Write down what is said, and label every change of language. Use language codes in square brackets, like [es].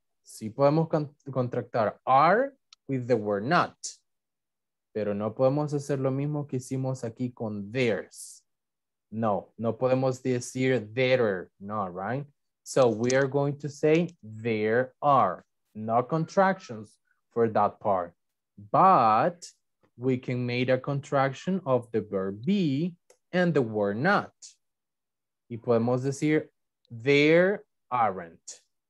[es] Si podemos contractar [en] are with the word not. [es] Pero no podemos hacer lo mismo que hicimos aquí con theirs. No, no podemos decir there are, no, right? [en] So we are going to say there are. No contractions for that part. But we can make a contraction of the verb be and the word not. [es] Y podemos decir there aren't.